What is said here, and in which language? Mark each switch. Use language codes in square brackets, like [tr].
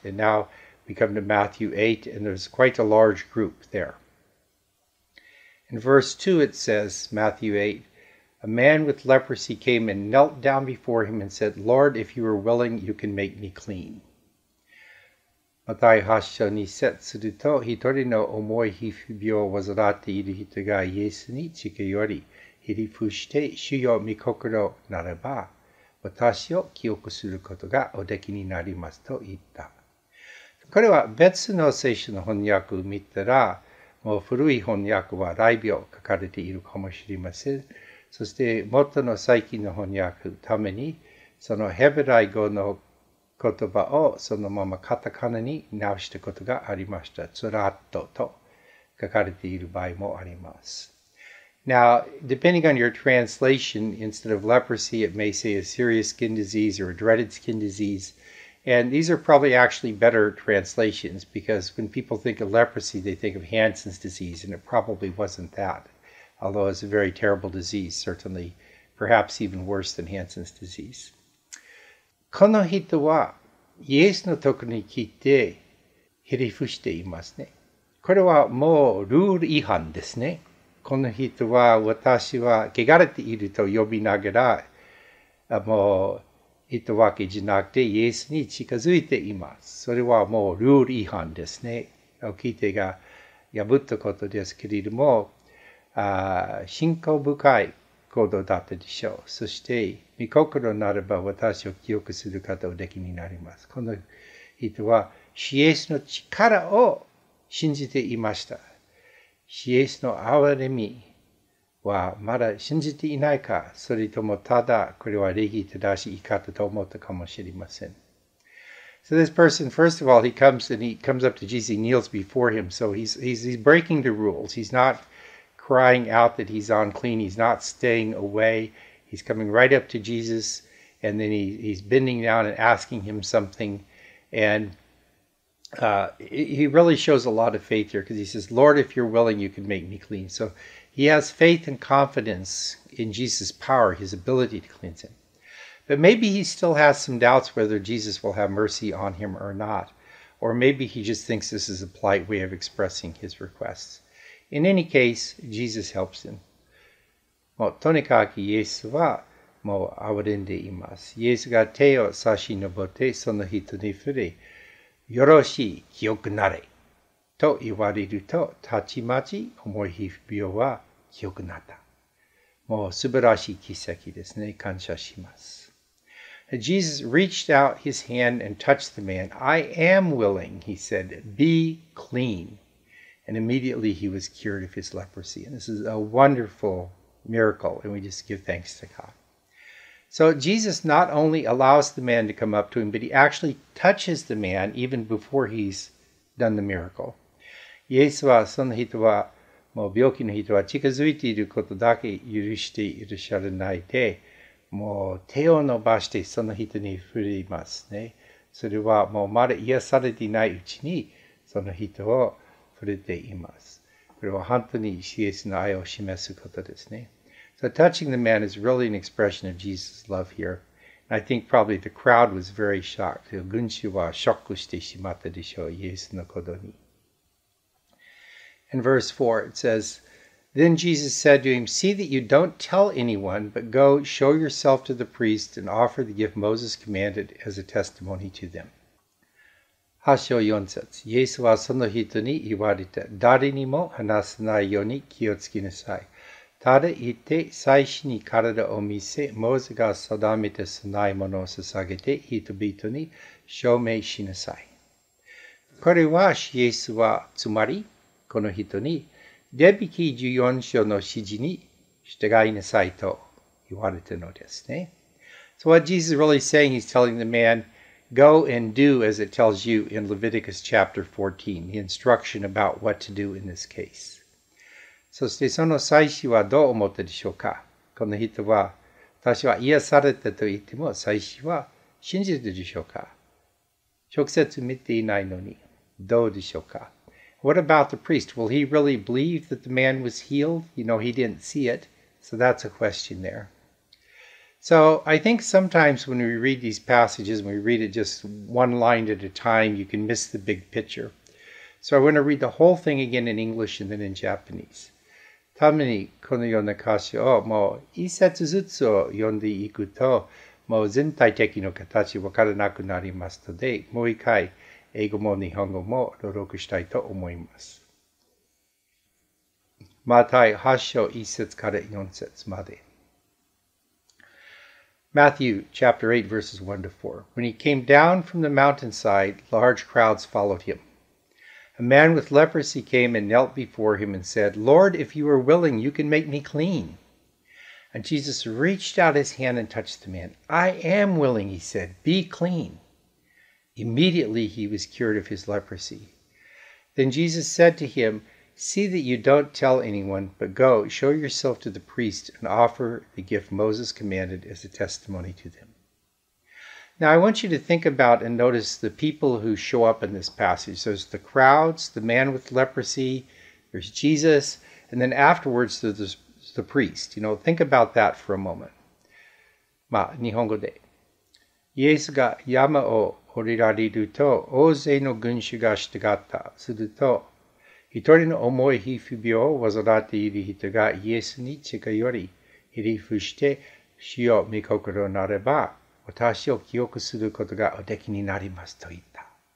[en] And now we come to Matthew 8, and there's quite a large group there. In verse 2, it says, Matthew 8, a man with leprosy came and knelt down before him and said, Lord, if you are willing, you can make me clean. [ja] Matthew 8 章に節すると、一人の重い皮膚病を患っている人がイエスに近寄り、ひりふして、主よ御心ならば、私を清くすることがおできになりますと言った。これは別の聖書の翻訳を見たら、もう古い翻訳は雷病書かれているかもしれません。そして元の最近の翻訳のために、そのヘブライ語の言葉をそのままカタカナに直したことがありました。ツラットと書かれている場合もあります。 [en] Now, depending on your translation, instead of leprosy, it may say a serious skin disease or a dreaded skin disease. And these are probably actually better translations because when people think of leprosy, they think of Hansen's disease, and it probably wasn't that, although it's a very terrible disease, certainly, perhaps even worse than Hansen's disease. [ja] この人はイエスのところに来てひれ伏していますね。これはもうルール違反ですね。この人は私は汚れていると呼びながらもう言ったわけじゃなくてイエスに近づいています。それはもうルール違反ですね。おきてが破ったことですけれども、信仰深い行動だったでしょう。そして御心ならば私を清くする方をできになります。この人は、シエスの力を信じていました。シエスの憐れみはまだ信じていないか、それともただこれは礼儀正しいかと思ったかもしれません。 [en] So this person, first of all, he comes up to Jesus, he kneels before him, so he's breaking the rules. He's not crying out that he's unclean, he's not staying away. He's coming right up to Jesus, and then he's bending down and asking him something. And he really shows a lot of faith here because he says, Lord, if you're willing, you can make me clean. So he has faith and confidence in Jesus' power, his ability to cleanse him. But maybe he still has some doubts whether Jesus will have mercy on him or not. Or maybe he just thinks this is a polite way of expressing his requests. In any case, Jesus helps him. [ja] もうとにかくイエスはもう憐れんでいます。イエスが手を差し伸べてその人に触れ、よろしい、清くなれ。と言われると、たちまち重い皮膚病は清くなった。もう素晴らしい奇跡ですね。感謝します。 [en] Jesus reached out his hand and touched the man. I am willing, he said, be clean. And immediately he was cured of his leprosy. And this is a wonderful... miracle, and we just give thanks to God. So Jesus not only allows the man to come up to him, but he actually touches the man even before he's done the miracle. [ja] イエスはその人はもう病気の人は近づいていることだけ許していらっしゃらないで、もう手を伸ばしてその人に触れますね。それはもうまだ癒されていないうちにその人を触れています。これは本当にイエスの愛を示すことですね。 [en] So touching the man is really an expression of Jesus' love here. And I think probably the crowd was very shocked. [ja] 群衆はショックしてしまったでしょう、イエスのことに。 [en] In verse 4, it says, Then Jesus said to him, "See that you don't tell anyone, but go show yourself to the priest and offer the gift Moses commanded as a testimony to them." [ja] 8章4節. イエスはその人に言われた。誰にも話さないように気をつけなさい。ただ行って祭司に体を見せ、モーゼが定めた供え物を捧げて人々に証明しなさい。これはイエスはつまりこの人にレビ記14章の指示に従いなさいと言われたのですね。 [en] So what Jesus is really saying, he's telling the man, go and do as it tells you in Leviticus chapter 14, the instruction about what to do in this case. [ja] そしてその祭司はどう思ったでしょうか？この人は私は癒されたと言っても祭司は信じたでしょうか？直接見ていないのにどうでしょうか？ [en] What about the priest? Will he really believe that the man was healed? You know, he didn't see it. So that's a question there. So I think sometimes when we read these passages, and we read it just one line at a time, you can miss the big picture. So I want to read the whole thing again in English and then in Japanese. [ja] ためにこのような箇所をもう一節ずつを読んでいくと、もう全体的の形わからなくなりますので、もう一回英語も日本語も朗読したいと思います。マタイ8章1節から4節まで。 [en] Matthew chapter 8 verses 1 to 4. When he came down from the mountainside, large crowds followed him. A man with leprosy came and knelt before him and said, "Lord, if you are willing, you can make me clean." And Jesus reached out his hand and touched the man. "I am willing," he said, "be clean." Immediately he was cured of his leprosy. Then Jesus said to him, "See that you don't tell anyone, but go, show yourself to the priest and offer the gift Moses commanded as a testimony to them." Now I want you to think about and notice the people who show up in this passage. There's the crowds, the man with leprosy, there's Jesus, and then afterwards there's the priest. You know, think about that for a moment. [ja] まあ、日本語で。イエスが山を降りられると、大勢の群衆が従った。すると、一人の重い皮膚病を患っている人がイエスに近寄り、ひれ伏して、主よ御心なれば、私を清くすることがおできになりますと言った。